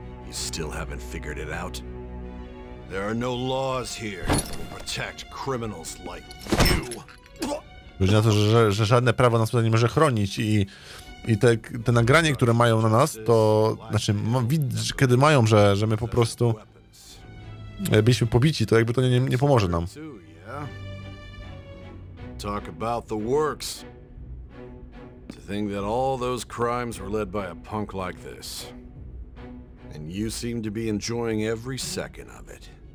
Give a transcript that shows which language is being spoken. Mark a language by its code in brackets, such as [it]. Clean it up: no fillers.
[en] Still haven't figured it out. There are no laws here to protect criminals like you. [pl] Chodzi na to, że żadne prawo nas tutaj nie może chronić i te nagranie, które mają na nas, to znaczy widzisz, kiedy mają, że my po prostu byliśmy pobici, to jakby to nie pomoże nam. [en] Talk about the works. To think that all those crimes were led by a punk like this. And you seem to be enjoying every second of it.